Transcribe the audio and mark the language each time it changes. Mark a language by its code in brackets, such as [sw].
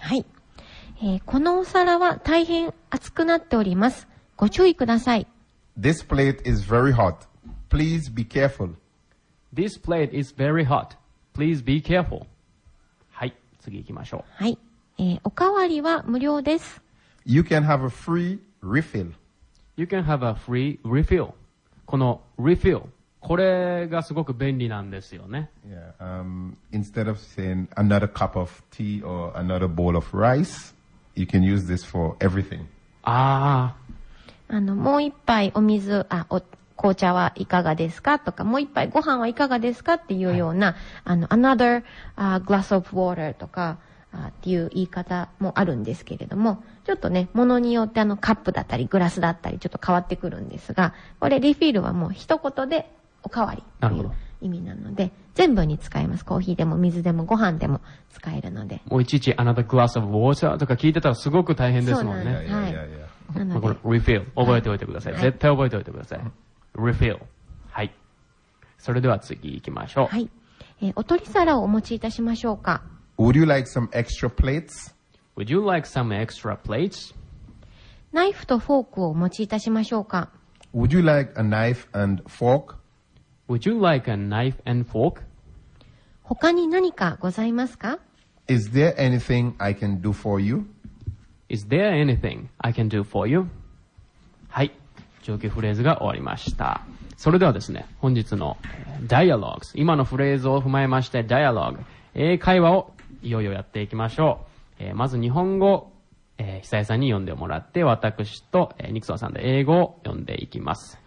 [ja] はい、このお皿は大変熱くなっております。ご注意ください。 [en] This plate is very hot. Please be careful. This plate is very hot. Please be careful. [ja] はい、次行きましょう。はい、おかわりは無料です。 [en] You can have a free refill. You can have a free refill. [ja] この refill、これがすごく便利なんですよね。 [en] Yeah, instead of saying another cup of tea or another bowl of rice, you can use this for everything. [ja] ああ。あのもう一杯お水あお紅茶はいかがですかとかもう一杯ご飯はいかがですかっていうような、はい、あの [en] another glass of water [ja] とかっていう言い方もあるんですけれども、ちょっとね物によってあのカップだったりグラスだったりちょっと変わってくるんですが、これリフィールはもう一言でおかわりという意味なので、な全部に使えます。コーヒーでも水でもご飯でも使えるので、もういちいち [en] another glass of water [ja] とか聞いてたらすごく大変ですもんね。そうなんです。はい、まあ、これ refill 覚えておいてください、はい、絶対覚えておいてください、はい、refill。はい、それでは次行きましょう。はい、お取り皿をお持ちいたしましょうか。 [en] Would you like some extra plates? Would you like some extra plates? [ja] ナイフとフォークをお持ちいたしましょうか。 [en] Would you like a knife and fork? Would you like a knife and fork? [ja] 他に何かございますか。 [en] Is there anything I can do for you Is there anything I can do for you? [ja] はい、上級フレーズが終わりました。それではですね、本日のダイアログ、今のフレーズを踏まえましてダイアログ、英会話をいよいよやっていきましょう。まず日本語、久江さんに読んでもらって、私と、ニクソンさんで英語を読んでいきます。